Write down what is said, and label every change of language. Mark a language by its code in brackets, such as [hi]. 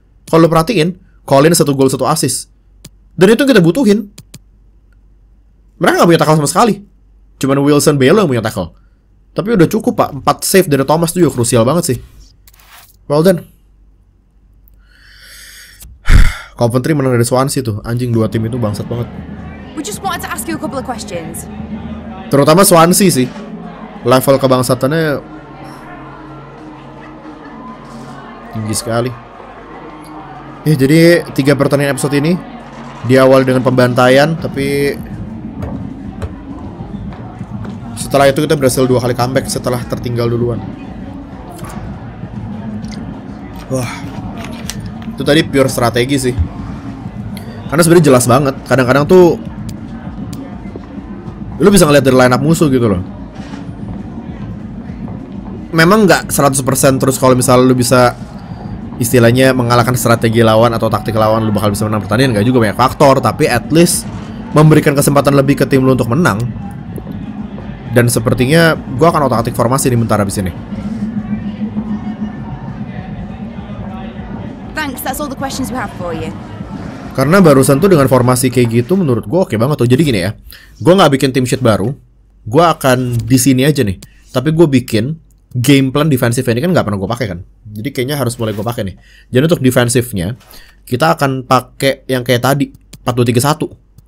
[id] Kalau lo perhatiin, Colin 1 gol 1 asis. Dan itu kita butuhin. Mereka gak punya tackle sama sekali. Cuman Wilson Bello yang punya tackle. Tapi udah cukup, Pak. 4 save dari Thomas juga krusial banget sih. [en] Well done. [id] Coventry menang dari Swansea tuh. Anjing, dua tim itu bangsat banget. [en] We just wanted to ask you a couple of questions. [id] Terutama Swansea sih. Level kebangsatannya tinggi sekali. Ya, jadi 3 pertandingan episode ini diawali dengan pembantaian, tapi setelah itu kita berhasil 2 kali comeback setelah tertinggal duluan. Wah, itu tadi pure strategi sih. Karena sebenarnya jelas banget. Kadang-kadang tuh lu bisa ngeliat dari line up musuh gitu loh. Memang gak 100% terus kalau misalnya lu bisa istilahnya mengalahkan strategi lawan atau taktik lawan, lu bakal bisa menang pertandingan. Gak juga, banyak faktor. Tapi at least memberikan kesempatan lebih ke tim lu untuk menang. Dan sepertinya gua akan otak-atik formasi nih bentar abis ini. [en] Thanks, that's all the questions we have for you. [id] Karena barusan tuh dengan formasi kayak gitu menurut gua oke banget tuh. Jadi gini ya, gua gak bikin team sheet baru. Gua akan di sini aja nih. Tapi gua bikin game plan defensive ini kan gak pernah gue pakai kan. Jadi kayaknya harus mulai gue pakai nih. Jadi untuk defensifnya kita akan pakai yang kayak tadi, 4-2-3-1.